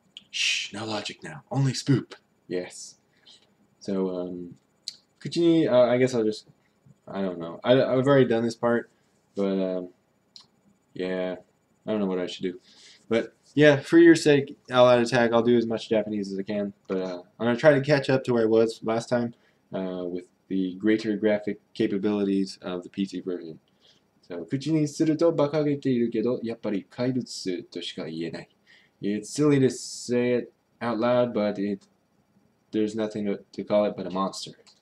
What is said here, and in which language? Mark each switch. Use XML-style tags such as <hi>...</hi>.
<en>Shh, no logic now, only spoop. Yes. So, I've already done this part, but yeah. I don't know what I should do. But yeah, for your sake, All That Attack, I'll do as much Japanese as I can. But I'm going to try to catch up to where I was last time with the greater graphic capabilities of the PC version.</en> <ja>So, 口にすると馬鹿げているけど、やっぱり怪物としか言えない。</ja> <en>It's silly to say it out loud, but there's nothing to call it but a monster.</en>